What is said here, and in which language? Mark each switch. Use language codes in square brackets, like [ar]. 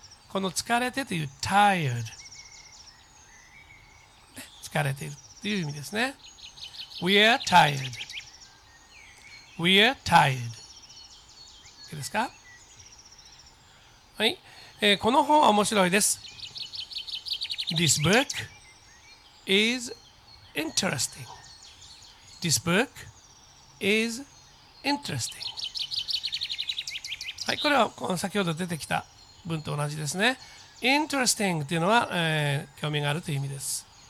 [ja] この疲れてという tired、ね、疲れているという意味ですね。 [en] We are tired. We are tired. [ja] いいですか。はい、この本は面白いです。 [en] This book is interesting. This book is interesting. [ja] はい、これはこの先ほど出てきた文と同じですね。Interesting というのは、興味があるという意味です。